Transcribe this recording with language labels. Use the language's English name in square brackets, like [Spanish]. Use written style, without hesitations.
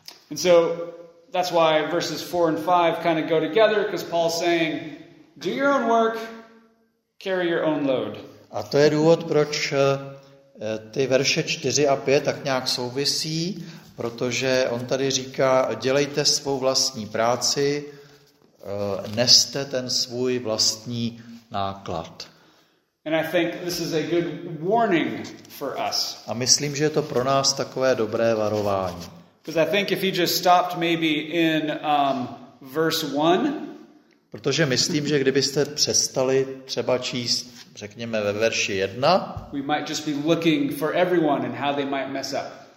[English] And so that's why verses 4 and 5 kind of go together, because Paul's saying do your own work, carry your own load. [Czech] A to je důvod, proč ty verše 4 a 5 tak nějak souvisí. Protože on tady říká, dělejte svou vlastní práci, neste ten svůj vlastní náklad. [English] And I think this is a good warning for us. [Czech] A myslím, že je to pro nás takové dobré varování. [English] Because I think if you just stopped maybe in verse 1. [Czech] Protože myslím, že kdybyste přestali třeba číst, řekněme ve verši 1. [English] We might just be looking for everyone and how they might mess up.